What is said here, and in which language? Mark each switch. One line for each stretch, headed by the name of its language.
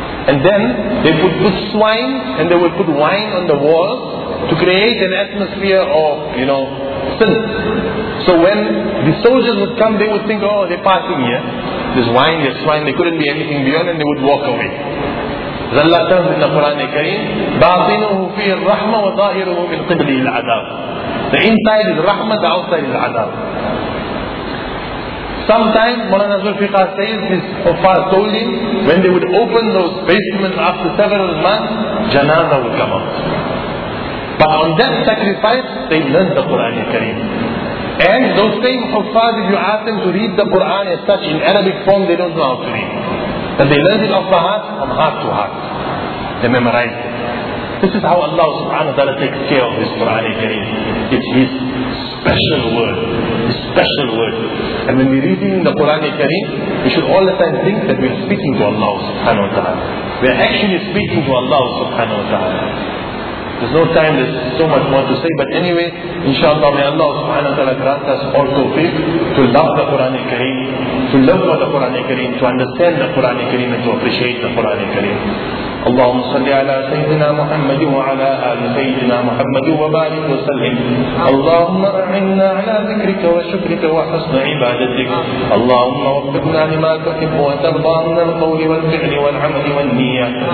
English: And then they would put swine and they would put wine on the walls to create an atmosphere of, you know, sin. So when the soldiers would come, they would think, oh, they're passing here. There's wine, there's swine, there couldn't be anything beyond, and they would walk away. Allah tells in the Quran al-Kareem,
Arabic: بَعْضِنُهُ فِيهِ الرَّحْمَةُ وَظَاهِرُهُ مِنْ قِبْلِهِ الْعَذَابُ.
English: The inside is rahmah, the outside is adab. Sometimes, Mawlana Zulfiqar says, his kuffar told him, when they would open those basements after several months, janaza would come out. But on that sacrifice, they learned the Quran al-Kareem. And those same kuffar, if you ask them to read the Quran as such in Arabic form, they don't know how to read. But they learned it off the heart, from heart to heart. They memorized it. This is how Allah subhanahu wa ta'ala takes care of His Quran al-Kareem. It's His special word. His special word. And when we're reading the Quran al-Kareem, we should all the time think that we're speaking to Allah subhanahu wa ta'ala. We're actually speaking to Allah subhanahu wa ta'ala. There's no time, there's so much more to say, but anyway, inshallah, may Allah subhanahu wa ta'ala grant us all tawfiq to love the Quran al-Kareem, to love for the Quran al-Kareem, to understand the Quran al-Kareem, and to appreciate the Quran al-Kareem.
Arabic: اللهم صل على سيدنا محمد وعلى آل سيدنا محمد وبارك وسلم اللهم أعنا على ذكرك وشكرك وحسن عبادتك اللهم وفقنا لما تحب وترضى من القول والفعل والعمل والنية